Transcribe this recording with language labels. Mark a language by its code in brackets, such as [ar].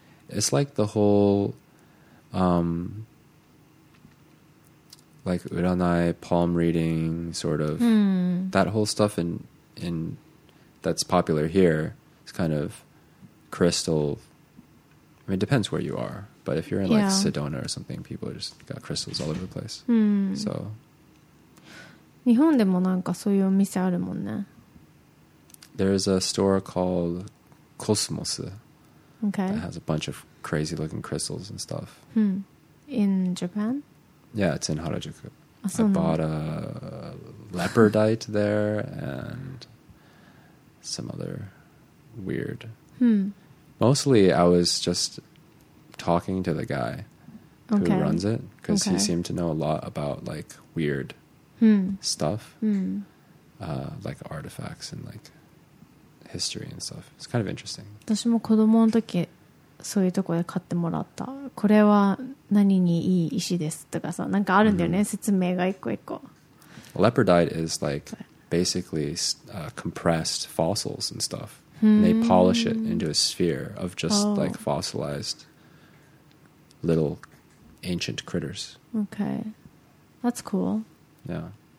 [en] It's like the whole, like uranai palm reading sort of that whole stuff in that's popular here. It's kind of crystal. I mean, it depends where you are, but if you're in like Sedona or something, people just got crystals all over the place. So. [ja] 日本でもなんかそういうお店あるもんね。 [en] There's a store called Cosmos. Okay. That has a bunch of crazy looking crystals and stuff. Hmm. In Japan? Yeah, it's in Harajuku. [ja] あ、そうなの? [en] I bought a leopardite there and some other weird. Hmm. Mostly I was just talking to the guy who runs it. Because he seemed to know a lot about like weirdstuff like artifacts and like history and stuff. It's kind of interesting. [ja] 私も子供の時そういうとこで買ってもらった。これは何にいい石ですとかさ、なんかあるんだよね、説明が一個一個。 [en] Leopardite is like basically compressed fossils and stuff. And they polish it into a sphere of just like fossilized little ancient critters. Okay. That's cool Yeah.